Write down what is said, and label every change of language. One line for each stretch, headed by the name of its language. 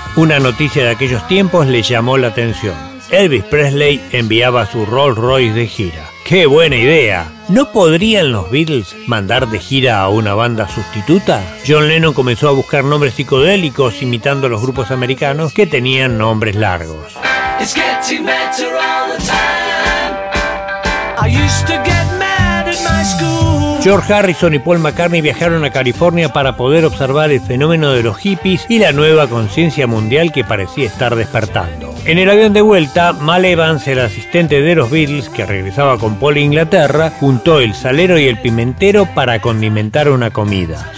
Spanish: Una noticia de aquellos tiempos les llamó la atención. Elvis Presley enviaba su Rolls Royce de gira. ¡Qué buena idea! ¿No podrían los Beatles mandar de gira a una banda sustituta? John Lennon comenzó a buscar nombres psicodélicos imitando a los grupos americanos que tenían nombres largos.
English: It's getting better all the time. I used to get mad at my school.
Spanish: George Harrison y Paul McCartney viajaron a California para poder observar el fenómeno de los hippies y la nueva conciencia mundial que parecía estar despertando. En el avión de vuelta, Mal Evans, el asistente de los Beatles, que regresaba con Paul a Inglaterra, juntó el salero y el pimentero para condimentar una comida.